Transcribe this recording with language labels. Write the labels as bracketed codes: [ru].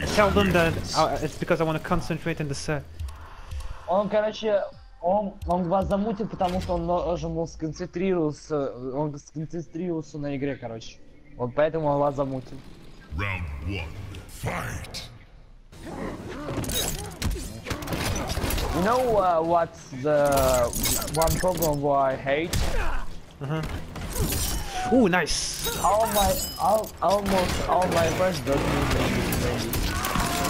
[en] Tell them that it's because I wanna concentrate in the set. [ru] Он, короче, он вас замутил, потому что он уже был сконцентрировался на игре, короче. Вот поэтому он вас замутил. [en] Round one, fight. You know what's the one problem who I hate? Uh-huh. Ooh, nice! Almost all my friends don't use this thing.